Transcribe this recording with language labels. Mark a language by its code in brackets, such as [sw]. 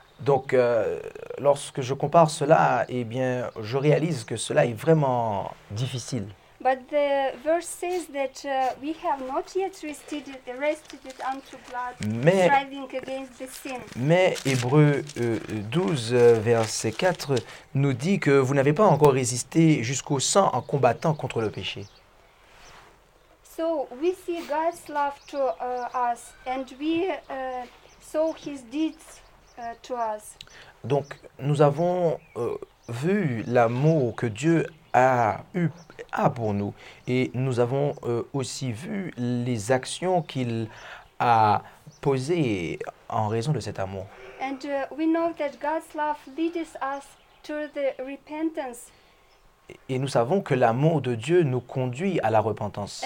[fr] Donc, lorsque je compare cela, je réalise que cela est vraiment difficile. [en] But the verse says that we have not yet resisted it unto blood, striving against the sin. [fr] Mais Hébreux 12, verset 4, nous dit que vous n'avez pas encore résisté jusqu'au sang en combattant contre le péché. [en] So we see God's love to us, and we saw His deeds to us. [fr] Donc nous avons vu l'amour que Dieu a eu pour nous. Et nous avons aussi vu les actions qu'il a posées en raison de cet amour. [en] And we know that God's love leads us to the repentance. [fr] Et nous savons que l'amour de Dieu nous conduit à la repentance.